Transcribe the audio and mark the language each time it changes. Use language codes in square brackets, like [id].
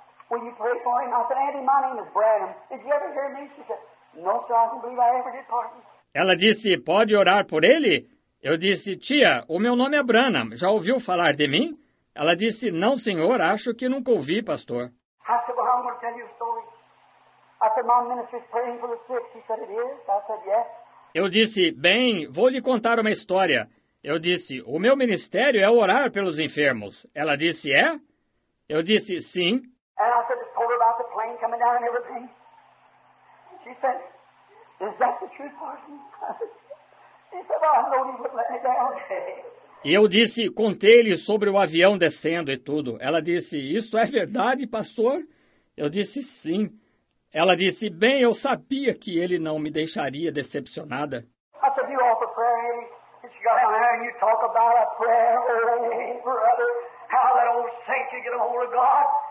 [en] Will you pray for him? I said, Auntie, my name is Branham. Did you ever hear me? She said, no, sir, I don't believe I ever did, Parson. [pt] Ela disse, pode orar por ele? Eu disse, tia, o meu nome é Branham. Já ouviu falar de mim? Ela disse, não, senhor, acho que nunca ouvi, pastor. [en] I said, well, I'm going to tell you a story. I said, my ministry's praying for the sick. She said, it is. I said, yes. [pt] Eu disse, bem, vou lhe contar uma história. Eu disse, o meu ministério é orar pelos enfermos. Ela disse, é? Eu disse, sim. [en] And I said, told her about the plane coming down and everything. She said, is that the truth, Parson? She said, well, I know he wouldn't let me down. [pt] E eu disse, contei-lhe sobre o avião descendo e tudo. Ela disse, isso é verdade, pastor? Eu disse, sim. Ela disse, bem, eu sabia que ele não me deixaria decepcionada. [en] I said, you offer prayer. She got down there and you talk about a prayer. Oh, brother, how that old saint could get a hold of God.